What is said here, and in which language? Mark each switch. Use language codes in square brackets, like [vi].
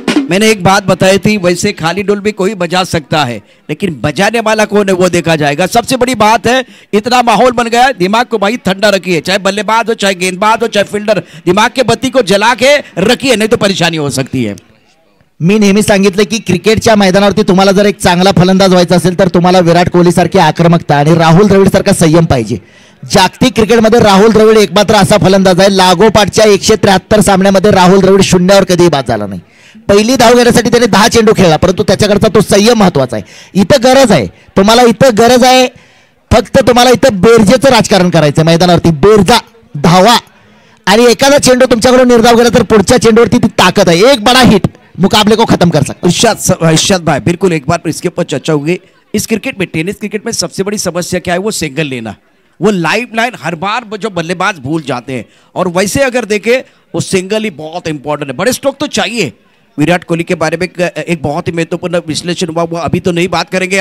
[hi] मैंने एक बात बताई थी, वैसे खाली डोल भी कोई बजा सकता है, लेकिन बजाने वाला कौन है वो देखा जाएगा। सबसे बड़ी बात है इतना माहौल बन गया, दिमाग को भाई ठंडा रखिए, चाहे बल्लेबाज हो, चाहे गेंदबाज हो, चाहे फील्डर, दिमाग के बत्ती को जला के रखिए, नहीं तो परेशानी हो सकती है। [mr] मी नेहमी सांगितले की क्रिकेटच्या मैदानावरती तुम्हाला जर एक चांगला फलंदाज व्हायचा असेल तर तुम्हाला विराट कोहली सारखी आक्रमकता आणि राहुल द्रविड सारखा संयम पाहिजे। जागतिक क्रिकेटमध्ये राहुल द्रविड एकमात्र असा फलंदाज आहे, लागोपाठच्या 173 सामन्यांमध्ये राहुल द्रविड शून्यावर कधीही बाद झाला नाही। पहिली धाव घेण्यासाठी त्याने 10 चेंडू खेळला, परंतु त्याच्याकडचा तो संयम महत्त्वाचा आहे। इथं गरज आहे तुम्हाला, इथं गरज आहे, फक्त तुम्हाला इथं बेरजेचं राजकारण करायचं मैदानावरती, बेरजा धावा आणि एखादा चेंडू तुमच्याकडून निर्धाव गेला तर पुढच्या चेंडूवरती ती ताकद आहे, [hi] एक बडा हिट मुकाबले को खत्म कर सकते। इर्शाद भाई बिल्कुल एक बार इसके ऊपर चर्चा होगी। इस क्रिकेट में, टेनिस क्रिकेट में सबसे बड़ी समस्या क्या है, वो सिंगल लेना, वो लाइफ लाइन हर बार जो बल्लेबाज भूल जाते हैं, और वैसे अगर देखे वो सिंगल ही बहुत इंपॉर्टेंट है, बड़े स्ट्रोक तो चाहिए। विराट कोहली के बारे में एक बहुत ही महत्वपूर्ण विश्लेषण हुआ, वो अभी तो नहीं बात करेंगे।